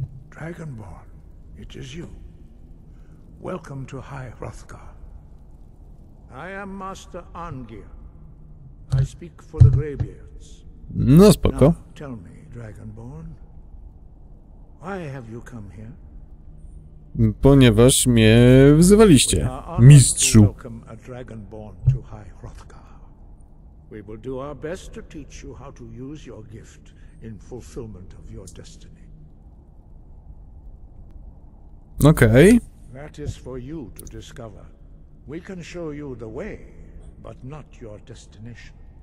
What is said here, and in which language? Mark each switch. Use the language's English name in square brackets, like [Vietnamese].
[English] Dragonborn, it is you. Welcome to High Hrothgar. I am Master Arngeir. I speak for the Greybeards. [Polish] No spoko. [English] Now, tell me, Dragonborn, why have you come here? [Polish] Ponieważ mnie wzywaliście, mistrzu. [English] Welcome a Dragonborn to High Hrothgar. We will do our best to teach you how to use your gift in fulfillment of your destiny. Okay. That is for you to discover. We can show you the way, but not your destination.